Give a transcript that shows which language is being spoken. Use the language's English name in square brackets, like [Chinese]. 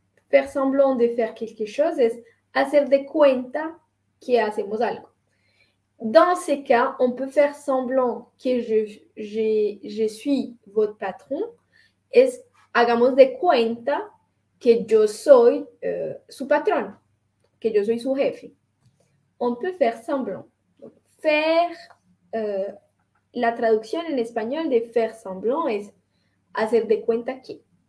[French] Faire semblant de faire quelque chose [Spanish] es hacer de cuenta que hacemos algo. [French] Dans ces cas, on peut faire semblant que je suis votre patron. [Spanish] Es hagamos de cuenta que yo soy su patrón, que yo soy su jefe. [French] On peut faire semblant. [Spanish] Faire, la traducción en español de faire semblant es hacer de cuenta que.